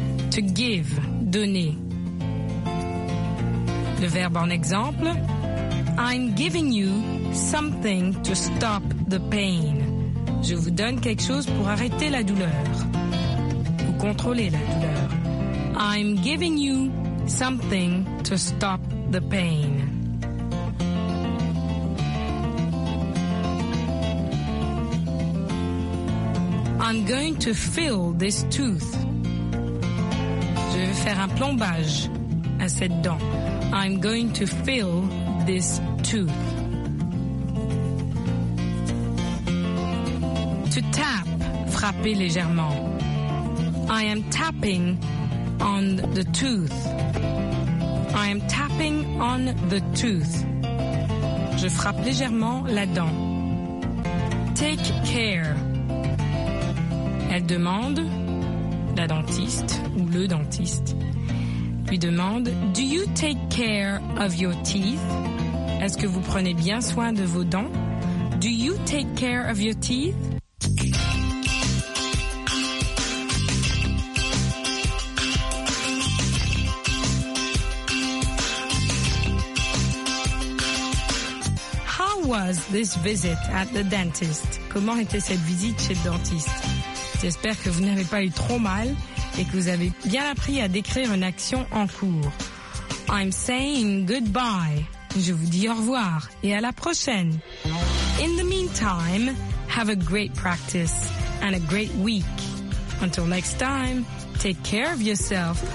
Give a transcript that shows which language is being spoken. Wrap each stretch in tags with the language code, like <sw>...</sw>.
<en>To give, donner.</en> <fr>Le verbe en exemple,</fr> <en>I'm giving you something to stop the pain.</en> <fr>Je vous donne quelque chose pour arrêter la douleur. Ou contrôler la douleur.</fr> <en>I'm giving you something to stop the pain. I'm going to fill this tooth.</en> <fr>Je vais faire un plombage à cette dent.</fr> <en>I'm going to fill this tooth.</en> <fr>To tap, frapper légèrement.</fr> <en>I am tapping on the tooth. I am tapping on the tooth.</en> <fr>Je frappe légèrement la dent.</fr> <en>Take care.</en> <fr>Elle demande, la dentiste ou le dentiste, lui demande,</fr> <en>Do you take care of your teeth?</en> <fr>Est-ce que vous prenez bien soin de vos dents?</fr> <en>Do you take care of your teeth? How was this visit at the dentist?</en> <fr>Comment était cette visite chez le dentiste? J'espère que vous n'avez pas eu trop mal et que vous avez bien appris à décrire une action en cours.</fr> <en>I'm saying goodbye.</en> <fr>Je vous dis au revoir et à la prochaine.</fr> <en>In the meantime, have a great practice and a great week. Until next time, take care of yourself.</en>